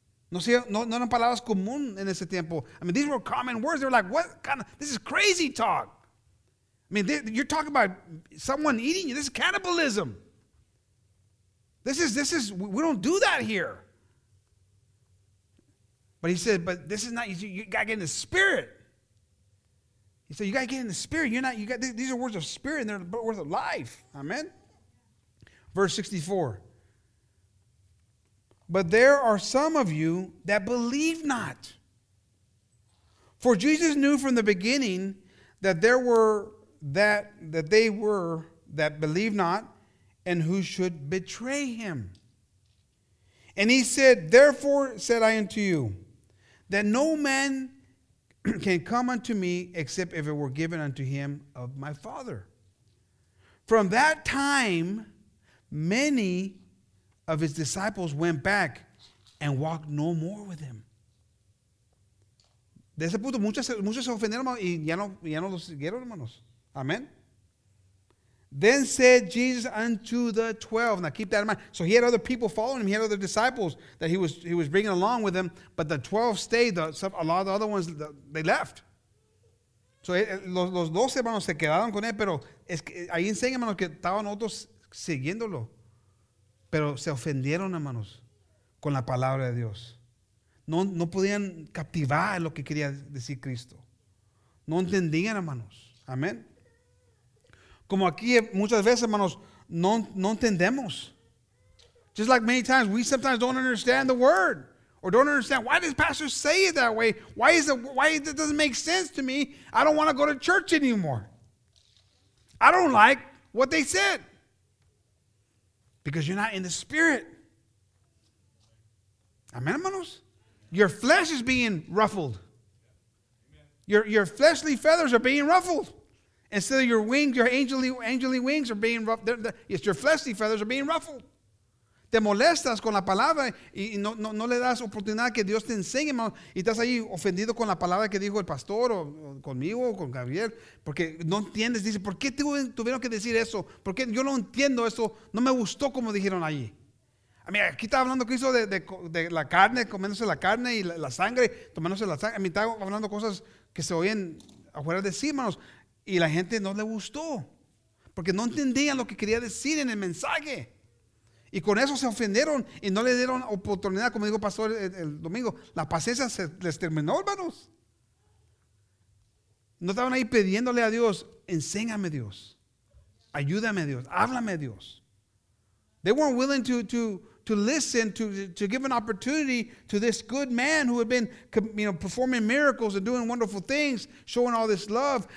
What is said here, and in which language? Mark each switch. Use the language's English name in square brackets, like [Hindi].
[Spanish] No eran palabras comunes en ese tiempo. [English] I mean, these were common words. They were like, what kind of, this is crazy talk. I mean, you're talking about someone eating you. This is cannibalism. This is, we don't do that here. But he said, but this is not, you got to get in the spirit. He said, you got to get in the spirit. These are words of spirit and they're words of life. Amen. Verse 64. But there are some of you that believe not. For Jesus knew from the beginning that there were that they were that believe not and who should betray him. And he said, therefore said I unto you, that no man can come unto me except if it were given unto him of my Father. From that time, many of his disciples went back and walked no more with him. [Spanish] De ese punto, muchos se ofendieron y ya no los siguieron, hermanos. [English] Amen. Then said Jesus unto the 12. Now keep that in mind. So he had other people following him. He had other disciples that he was bringing along with him. But the 12 stayed. A lot of the other ones, they left. [Spanish] So los 12 hermanos se quedaron con él. Pero es que ahí enseñan, hermanos, que estaban otros siguiéndolo. Pero se ofendieron, hermanos, con la palabra de Dios. No podían captivar lo que quería decir Cristo. No entendían, hermanos. Amén. Como aquí muchas veces, hermanos, no entendemos. [English] Just like many times, we sometimes don't understand the word. Or don't understand, why does pastor say it that way? Why does it doesn't make sense to me? I don't want to go to church anymore. I don't like what they said. Because you're not in the spirit. Amen, hermanos? Your flesh is being ruffled. Your fleshly feathers are being ruffled. Instead of your wings, your angelly wings are being ruffled. Yes, your fleshly feathers are being ruffled. [Spanish] Te molestas con la palabra y no le das oportunidad que Dios te enseñe, hermano. Y estás ahí ofendido con la palabra que dijo el pastor o conmigo o con Gabriel. Porque no entiendes. Dice, ¿por qué tuvieron que decir eso? ¿Por qué yo no entiendo eso? No me gustó como dijeron allí. A mí, aquí estaba hablando Cristo de la carne, comiéndose la carne y la sangre, tomándose la sangre. A mí estaba hablando cosas que se oyen afuera de sí, hermanos. Y la gente no le gustó, porque no entendían lo que quería decir en el mensaje. Y con eso se ofendieron y no le dieron oportunidad, como dijo pastor el domingo. La paciencia se les terminó, hermanos. No estaban ahí pidiéndole a Dios, enséñame Dios, ayúdame Dios, háblame Dios. [English] They weren't willing to listen, to give an opportunity to this good man who had been, you know, performing miracles and doing wonderful things, showing all this love.